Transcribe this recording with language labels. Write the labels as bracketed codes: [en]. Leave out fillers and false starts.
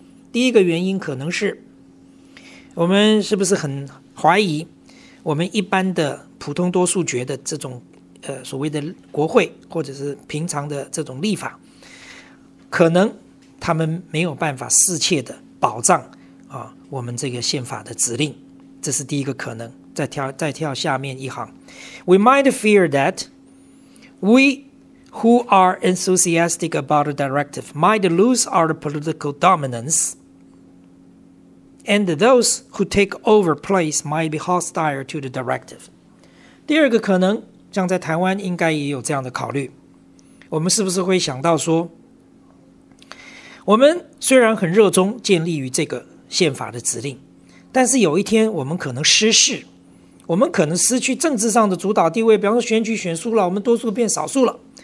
[zh] 第一个原因可能是，我们是不是很怀疑我们一般的普通多数决的这种所谓的国会或者是平常的这种立法，可能他们没有办法适切的保障我们这个宪法的指令，这是第一个可能。 [en] 再跳下面一行 We might fear thatWe, who are enthusiastic about the directive, might lose our political dominance, and those who take over place might be hostile to the directive. [zh] 第二个可能，像在台湾应该也有这样的考虑。我们是不是会想到说，我们虽然很热衷建立于这个宪法的指令，但是有一天我们可能失势，我们可能失去政治上的主导地位，比方说选举选输了，我们多数变少数了。